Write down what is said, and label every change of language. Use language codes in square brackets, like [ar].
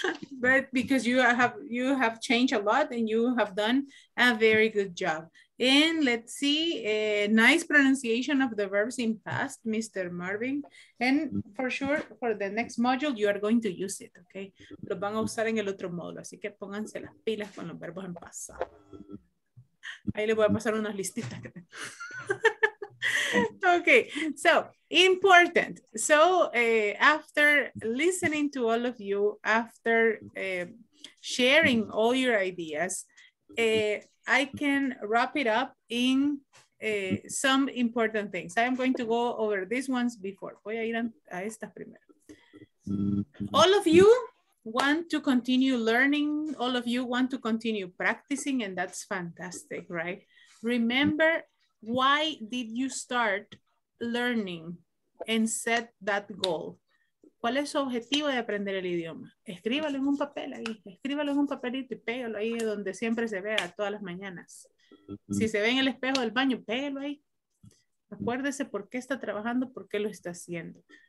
[en] But because you have changed a lot and you have done a very good job. And let's see, a nice pronunciation of the verbs in past, Mr. Marvin. And for sure, for the next module, you are going to use it, okay? [es] Los van a usar en el otro módulo, así que pónganse las pilas con los verbos en pasado. Ahí les voy a pasar unas listitas. [en] Okay, so important. So after listening to all of you, after sharing all your ideas, I can wrap it up in some important things. I am going to go over these ones before. [es] Voy a ir a estas primero. [en] All of you want to continue learning. All of you want to continue practicing, and that's fantastic, right? Remember, why did you start learning and set that goal? [es] ¿Cuál es su objetivo de aprender el idioma? Escríbalo en un papel ahí. Escríbalo en un papelito y pégalo ahí donde siempre se vea todas las mañanas. Si se ve en el espejo del baño, pégalo ahí. Acuérdese por qué está trabajando, por qué lo está haciendo.